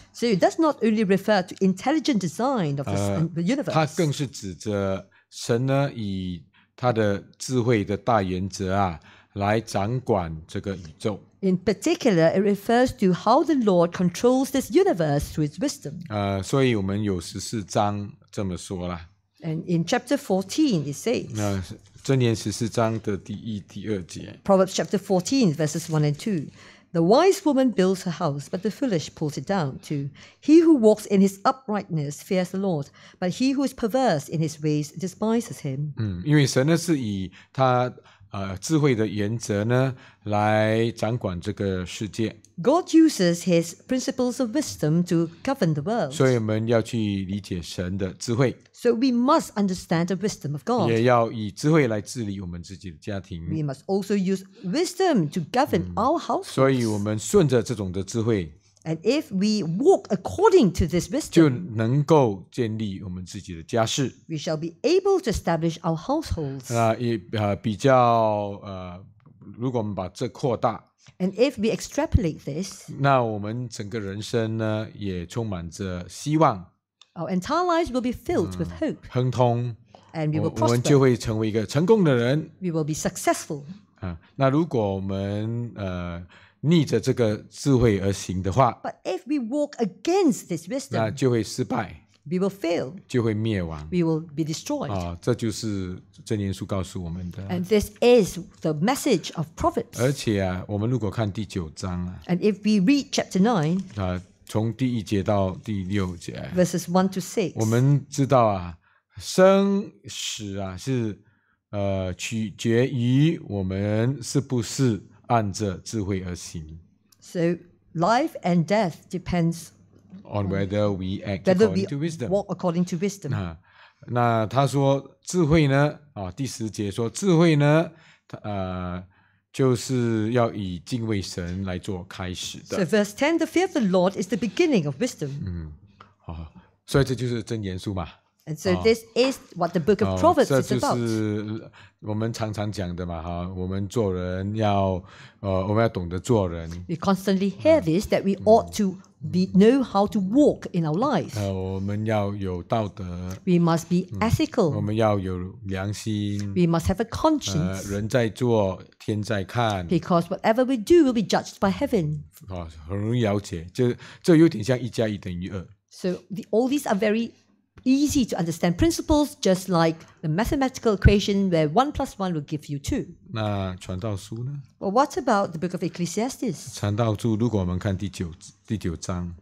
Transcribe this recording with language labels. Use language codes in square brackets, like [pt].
[en] So it does not only refer to intelligent design of the universe. [zh] 它更是指着神呢以他的智慧的大原则啊，来掌管这个宇宙。 [en] In particular, it refers to how the Lord controls this universe through his wisdom. [zh] 所以我们有14章这么说啦。 [en] And in chapter 14, it says, [zh] 箴言14章的第一、第二节。 [en] Proverbs chapter 14, verses 1 and 2. The wise woman builds her house, but the foolish pulls it down too. He who walks in his uprightness fears the Lord, but he who is perverse in his ways despises him. [zh] 因为神呢是以他智慧的原则呢来掌管这个世界。 [en] God uses his principles of wisdom to govern the world. [zh] 所以我们要去理解神的智慧。 [en] So we must understand the wisdom of God. [zh] 也要以智慧来治理我们自己的家庭。 [en] We must also use wisdom to govern our households. [zh] 所以我们顺着这种的智慧。 [en] And if we walk according to this wisdom, [zh] 就能够建立我们自己的家室。 [en] We shall be able to establish our households. [zh] 比较如果我们把这扩大。 [en] And if we extrapolate this, [zh] 那我们整个人生呢也充满着希望。 [en] Our entire lives will be filled with hope. [zh] 亨通。 [en] And we will prosper. [zh] 我们就会成为一个成功的人。 [en] We will be successful. [zh] 那如果我们逆着这个智慧而行的话， [en] But if we walk against this wisdom, [zh] 那就会失败。 [en] We will fail. [zh] 就会灭亡。 [en] We will be destroyed. [zh] 这就是箴言书告诉我们的。 [en] And this is the message of Proverbs. [zh] 而且啊，我们如果看第九章啊， [en] And if we read chapter 9, [zh] 从第一节到第六节， [en] Verses 1 to 6, [zh] 我们知道啊，生死啊，是取决于我们是不是按着智慧而行。 [en] So life and death depends on whether we act according to wisdom. Walk according to wisdom. [zh] 那他说智慧呢？第十节说智慧呢？就是要以敬畏神来做开始的。 [en] So verse 10, the fear of the Lord is the beginning of wisdom. [zh] 所以这就是箴言书嘛。 [en] And so this is what the book of Proverbs is about. [zh] 这就是我们常常讲的嘛，我们做人要，我们要懂得做人。 [en] We constantly hear this, that we ought to know how to walk in our lives. [zh] 我们要有道德。 [en] We must be ethical. [zh] 我们要有良心。 [en] We must have a conscience. [zh] 人在做，天在看。 [en] Because whatever we do will be judged by heaven. [zh] 很容易了解，这有点像一加一等于二。 [en] So all these are very easy to understand principles, just like the mathematical equation where 1 plus 1 will give you 2. [zh] 那传道书呢？ [en] Well, what about the book of Ecclesiastes? [zh] 传道书如果我们看第九章，